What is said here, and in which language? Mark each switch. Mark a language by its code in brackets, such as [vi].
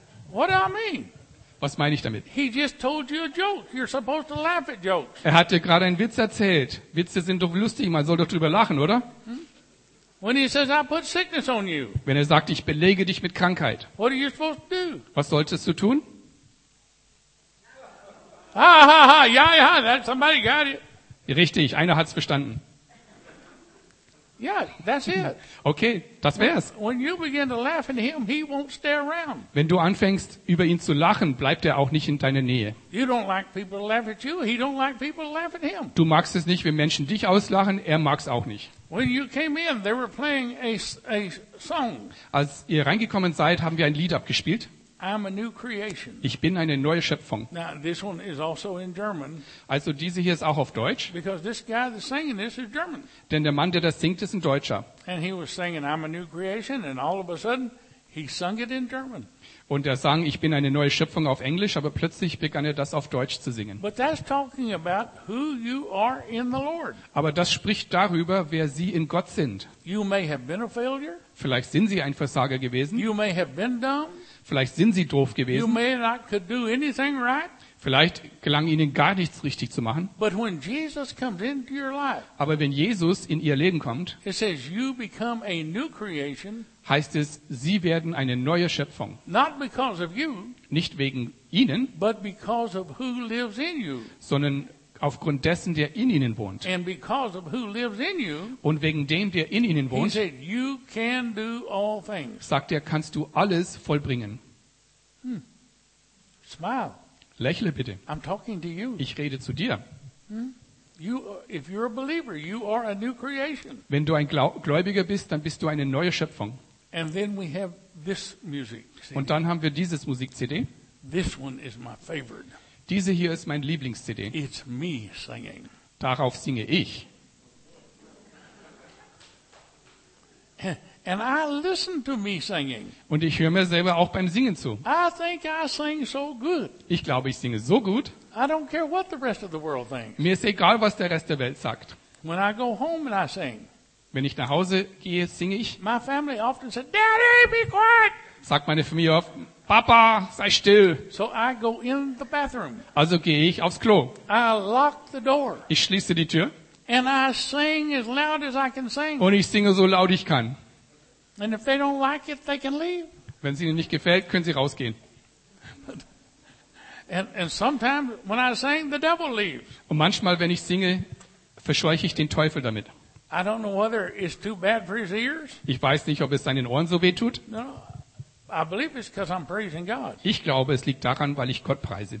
[en] What do I mean? [de] Was meine ich damit? [en] He just told you a joke. You're supposed to laugh at jokes. [de] Er hat dir gerade einen Witz erzählt. Witze sind doch lustig, man soll doch drüber lachen, oder? [en] When he says, I put sickness on you. [de] Wenn er sagt, ich belege dich mit Krankheit. [en] What are you supposed to do? [de] Was solltest du tun? [en] Ha ha ha, [de] ja, ja, [en] somebody got it. [de] Richtig, einer hat's verstanden. [en] Yeah, that's it. [de] Okay, das wär's. [en] When you begin to laugh at him, he won't stay around. [de] Wenn du anfängst, über ihn zu lachen, bleibt er auch nicht in deiner Nähe. [en] You don't like people to laugh at you. He don't like people to laugh at him. [de] Du magst es nicht, wenn Menschen dich auslachen. Er mag's auch nicht. [en] When you came in, they were playing a song. [de] Als ihr reingekommen seid, haben wir ein Lied abgespielt. [en] I'm a new creation. [de] Ich bin eine neue Schöpfung. [en] Now, this one is also in German. [de] Also diese hier ist auch auf Deutsch. [en] Because this guy that's singing this is German. [de] Denn der Mann, der das singt, ist ein Deutscher. [en] And he was singing, I'm a new creation, and all of a sudden he sung it in German. [de] Und er sang, ich bin eine neue Schöpfung auf Englisch, aber plötzlich begann er das auf Deutsch zu singen. [en] But that's talking about who you are in the Lord. [de] Aber das spricht darüber, wer Sie in Gott sind. [en] You may have been a failure. [de] Vielleicht sind Sie ein Versager gewesen. [en] You may have been dumb. [de] Vielleicht sind Sie doof gewesen. [en] You may not could do anything right. [de] Vielleicht gelang Ihnen gar nichts richtig zu machen. [en] But when Jesus comes into your life, [de] aber wenn Jesus in Ihr Leben kommt, [en] it says you become a new creation, [de] heißt es, Sie werden eine neue Schöpfung. [en] Not because of you, [de] nicht wegen Ihnen, [en] but because of who lives in you. [de] Sondern aufgrund dessen, der in Ihnen wohnt. [en] And because of who lives in you, [de] und wegen dem, der in Ihnen wohnt, [en] he said, you can do all things. [de] Sagt er, kannst du alles vollbringen. [en] Smile. [de] Lächle bitte. [en] I'm talking to you. [de] Ich rede zu dir. [en] You, if you're a believer, you are a new creation. [de] Wenn du ein Gläubiger bist, dann bist du eine neue Schöpfung. [en] And then we have this music [de] CD. Und dann haben wir dieses Musik-CD. [en] This one is my favorite. [de] Diese hier ist mein Lieblings-CD. [en] It's me singing. [de] Darauf singe ich. [en] And I listen to me singing. [de] Und ich höre mir selber auch beim Singen zu. [en] I think I sing so good. [de] Ich glaube, ich singe so gut. [en] I don't care what the rest of the world thinks. [de] Mir ist egal, was der Rest der Welt sagt. [en] When I go home and I sing. [de] Wenn ich nach Hause gehe, singe ich. [en] My family often said, Daddy, be quiet. [de] Sagt meine Familie oft, Papa, sei still. [en] So I go in the bathroom. [de] Also gehe ich aufs Klo. [en] I lock the door. [de] Ich schließe die Tür. [en] And I sing as loud as I can sing. [de] Und ich singe so laut ich kann. [en] And if they don't like it, they can leave. [de] Wenn es ihnen nicht gefällt, können sie rausgehen. [en] And sometimes when I sing, the devil leaves. [de] Und manchmal, wenn ich singe, verscheuche ich den Teufel damit. [en] I don't know whether it's too bad for his ears. [de] Ich weiß nicht, ob es seinen Ohren so weh tut. [en] No, I believe it's because I'm praising God. [de] Ich glaube, es liegt daran, weil ich Gott preise.